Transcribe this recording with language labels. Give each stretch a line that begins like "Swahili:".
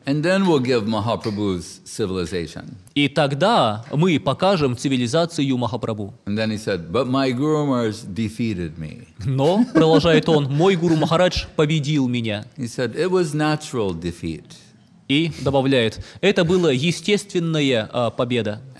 English: And then we'll give Mahaprabhu's civilization.
Russian: И тогда мы покажем цивилизацию Махапрабху.
English: And then he said, but my Guru Maharaj defeated me.
Russian: Но, продолжает он, мой Гуру Махарадж победил меня.
English: He said, it was natural defeat.
Russian: И добавляет, это была естественная победа.